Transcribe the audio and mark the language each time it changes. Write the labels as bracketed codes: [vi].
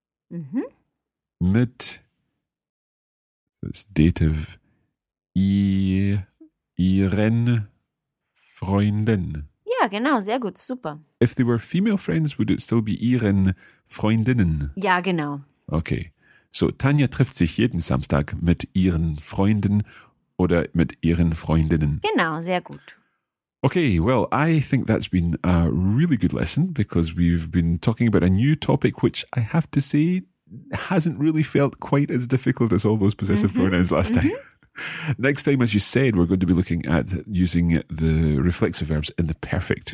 [de] mhm. mit das Dative ihren Freunden. Ja, genau, sehr gut, super. [en] If they were female friends, would it still be [de] ihren Freundinnen? Ja, genau. Okay, so Tanya trifft sich jeden Samstag mit ihren Freunden oder mit ihren Freundinnen. Genau, sehr gut. [en] Okay, well, I think that's been a really good lesson because we've been talking about a new topic which I have to say hasn't really felt quite as difficult as all those possessive mm-hmm. pronouns last mm-hmm. time. Next time, as you said, we're going to be looking at using the reflexive verbs in the perfect.